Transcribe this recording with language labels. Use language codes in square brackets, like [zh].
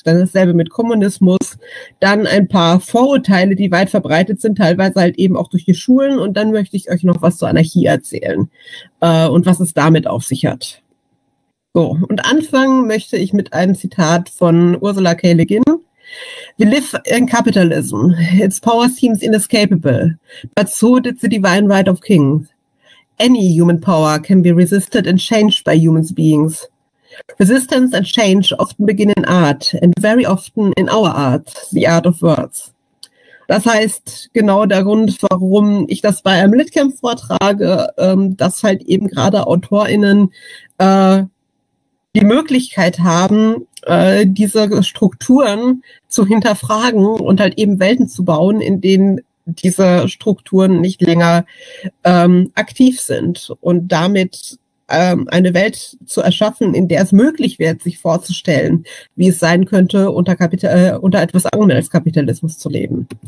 [de] Dann dasselbe mit Kommunismus. Dann ein paar Vorurteile, die weit verbreitet sind, teilweise halt eben auch durch die Schulen. Und dann möchte ich euch noch was zur Anarchie erzählen und was es damit auf sich hat. So, und anfangen möchte ich mit einem Zitat von Ursula K. [en] Le Guin. We live in capitalism. Its power seems inescapable. But so did the divine right of kings. Any human power can be resisted and changed by human beings. Resistance and change often begin in art and very often in our art, the art of words. [de] Das heißt, genau der Grund, warum ich das bei einem Litcamp vortrage, dass halt eben gerade AutorInnen die Möglichkeit haben, diese Strukturen zu hinterfragen und halt eben Welten zu bauen, in denen diese Strukturen nicht länger aktiv sind und damit eine Welt zu erschaffen, in der es möglich wird, sich vorzustellen, wie es sein könnte, unter etwas anderem als Kapitalismus zu leben.